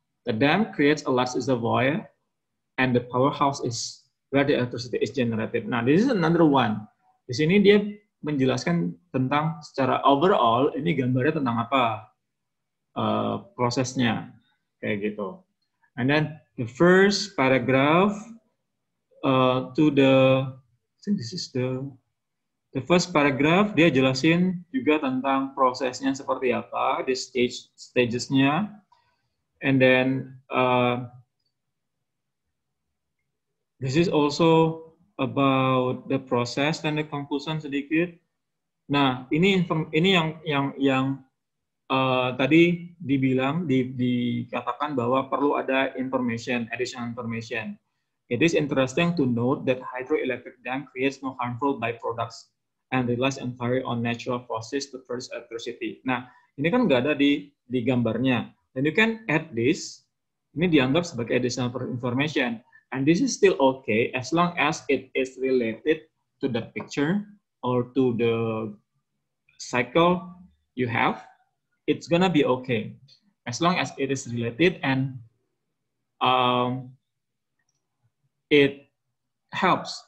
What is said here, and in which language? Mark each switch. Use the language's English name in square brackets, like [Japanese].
[English] The dam creates a large reservoir and the powerhouse is where the electricity is generated. Nah, this is another one. [Indonesian] Di sini dia menjelaskan tentang secara overall ini gambarnya tentang apa prosesnya kayak gitu. [English] And then the first paragraph to the I think this is the first paragraph [Indonesian] dia jelasin juga tentang prosesnya seperti apa, [English] the stages-nya. And then this is also about the process and the conclusion [Indonesian] sedikit. Nah, ini yang tadi dibilang dikatakan bahwa perlu ada [English] information, additional information. It is interesting to note that hydroelectric dam creates no harmful byproducts and relies entirely on natural forces to produce electricity. [Indonesian] Nah, ini kan nggak ada di gambarnya. [English] And you can add this. [Indonesian] Ini dianggap sebagai [English] additional information. And this is still okay as long as it is related to the picture or to the cycle you have. It's gonna be okay as long as it is related and it helps.